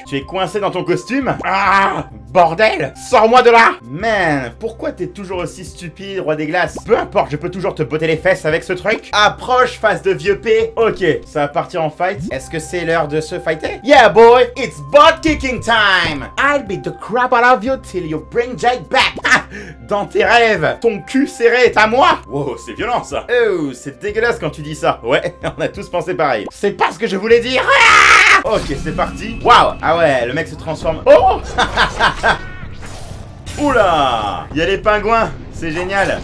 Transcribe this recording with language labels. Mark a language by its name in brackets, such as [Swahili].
[French] Tu es coincé dans ton costume? Ah! Bordel! Sors-moi de là! Man, pourquoi t'es toujours aussi stupide, roi des glaces? Peu importe, je peux toujours te botter les fesses avec ce truc. Approche, face de vieux P. Ok, ça va partir en fight. Est-ce que c'est l'heure de se fighter? [English] Yeah, boy! It's butt kicking time! I'll beat the crap out of you till you bring Jake back! [French] Dans tes rêves, ton cul serré est à moi! Wow, c'est violent ça! Oh, c'est dégueulasse quand tu dis ça! Ouais, on a tous pensé pareil. C'est pas ce que je voulais dire! Ah ok, c'est parti! Waouh! Ah ouais, le mec se transforme. Oh! Oula! Il y a les pingouins! C'est génial!